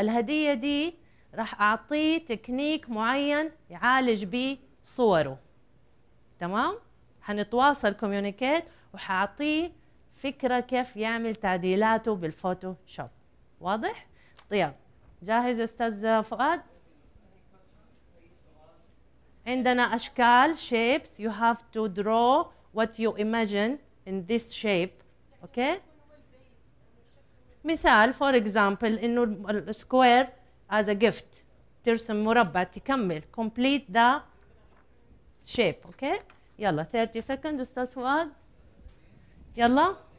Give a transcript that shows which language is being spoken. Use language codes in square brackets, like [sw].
[ar] الهدية دي راح أعطيه تكنيك معين يعالج بيه صوره، تمام. هنتواصل كوميونيكيت وحعطيه فكرة كيف يعمل تعديلاته بالفوتوشوب. واضح؟ طيب، جاهز أستاذ فؤاد؟ عندنا أشكال، shapes. [en] You have to draw what you imagine in this shape. Okay؟ [ar] مثال، [en] for example، إنه square as a gift. [ar] ترسم مربع، تكمل. [en] Complete the shape. [ar] Okay؟ يلا، 30 second أستاذ فؤاد. يلا.